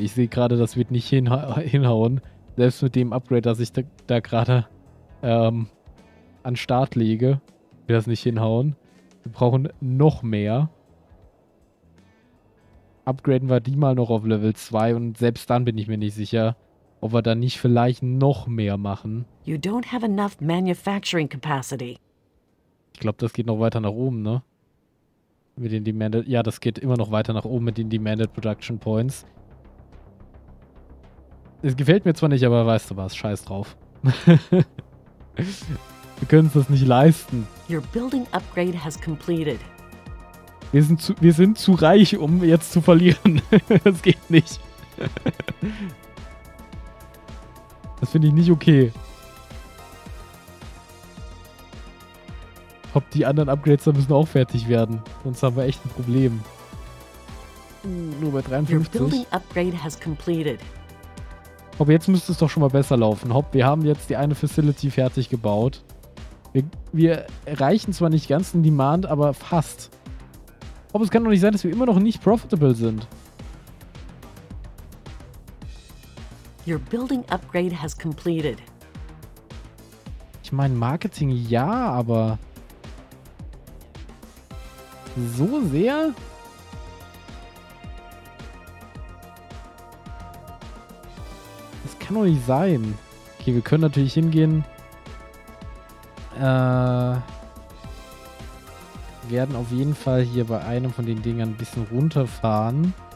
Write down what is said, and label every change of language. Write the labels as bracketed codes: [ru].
[de] Ich sehe gerade, das wird nicht hinhauen. Selbst mit dem Upgrade, das ich da gerade an Start lege. Wir das nicht hinhauen. Wir brauchen noch mehr. Upgraden wir die mal noch auf Level 2 und selbst dann bin ich mir nicht sicher, ob wir dann nicht vielleicht noch mehr machen. [en] You don't have enough manufacturing capacity. [de] Ich glaube, das geht noch weiter nach oben, ne? Mit den Demanded. Ja, das geht immer noch weiter nach oben mit den Demanded Production Points. Es gefällt mir zwar nicht, aber weißt du was? Scheiß drauf. Wir können es das nicht leisten. [en] Your building upgrade has completed. [de] Wir sind zu reich, um jetzt zu verlieren. Das geht nicht. Das finde ich nicht okay. Ob die anderen Upgrades da müssen auch fertig werden. Sonst haben wir echt ein Problem. Nur bei 53. [en] Your building upgrade has completed. [de] Aber jetzt müsste es doch schon mal besser laufen. Hopp, wir haben jetzt die eine Facility fertig gebaut. Wir erreichen zwar nicht ganz den Demand, aber fast. Aber es kann doch nicht sein, dass wir immer noch nicht profitable sind. [en] Your building upgrade has completed. [de] Ich meine, Marketing ja, aber so sehr? Das kann doch nicht sein. Okay, wir können natürlich hingehen. Werden auf jeden Fall hier bei einem von den Dingern ein bisschen runterfahren.